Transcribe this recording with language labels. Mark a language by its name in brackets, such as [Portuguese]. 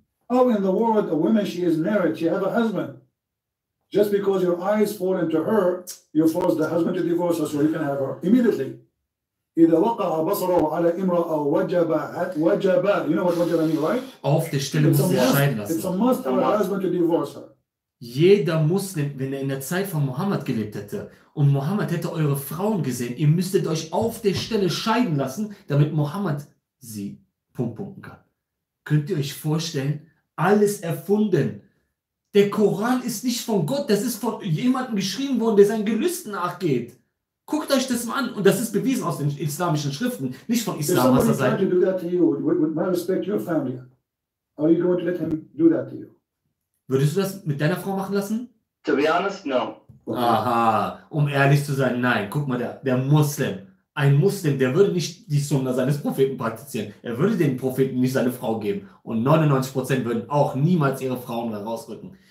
[English] How in the world a woman she is married, she have a husband. Just because your eyes fall into her, you force the husband to divorce her so you can have her immediately. [Arabic] إذا وقع بصره على امرأة وجب [English] you know what [Arabic] وجب [English] means, right? [German] Auf der Stelle [English] it's [German] muss sie scheiden lassen. [English] It's a must for a husband to divorce her. [German] Jeder Muslim, wenn er in der Zeit von Mohammed gelebt hätte und Mohammed hätte eure Frauen gesehen, ihr müsstet euch auf der Stelle scheiden lassen, damit Mohammed sie pumpen kann. Könnt ihr euch vorstellen? Alles erfunden. Der Koran ist nicht von Gott, das ist von jemandem geschrieben worden, der seinen Gelüsten nachgeht. Guckt euch das mal an. Und das ist bewiesen aus den islamischen Schriften, nicht von Islam, was er sagt. [English] If somebody tried to do that to you, with my respect, your family, are you going to let him do that to you? [German] Würdest du das mit deiner Frau machen lassen? [English] To be honest, no. [German] Aha, um ehrlich zu sein, nein. Guck mal, der Muslim, ein Muslim, der würde nicht die Sunna seines Propheten praktizieren. Er würde den Propheten nicht seine Frau geben. Und 99% würden auch niemals ihre Frauen rausrücken.